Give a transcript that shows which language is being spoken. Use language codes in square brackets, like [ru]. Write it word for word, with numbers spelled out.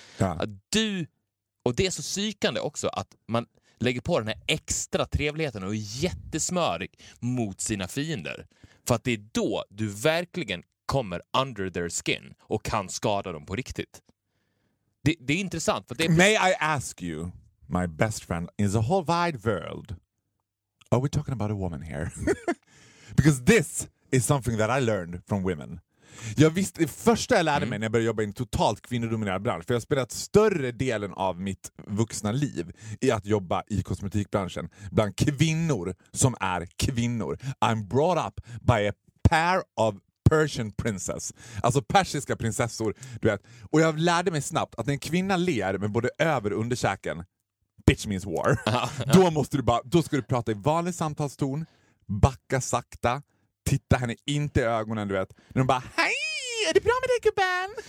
[sv] Ja. Att du, och det är så psykande också, att man lägger på den här extra trevligheten och är jättesmörig mot sina fiender. För att det är då du verkligen kommer under [en] their skin [sv] och kan skada dem på riktigt. Det, det är intressant. För det är... [en] May I ask you, my best friend in the whole wide world, are we talking about a woman here? Because this is something that I learned from women. [sv] Jag visste, det första jag lärde mig mm. när jag började jobba i en totalt kvinnodominerad bransch, för jag har spelat större delen av mitt vuxna liv i att jobba i kosmetikbranschen bland kvinnor som är kvinnor. [en] I'm brought up by a pair of Persian princess. [sv] Alltså persiska prinsessor, du vet. Och jag lärde mig snabbt att när en kvinna ler med både över- och underkäken, [en] bitch means war. [sv] Då måste du bara, då ska du prata i vanlig samtalston, backa sakta, titta henne inte i ögonen, du vet. När de bara, hej, är det bra med dig, gubben?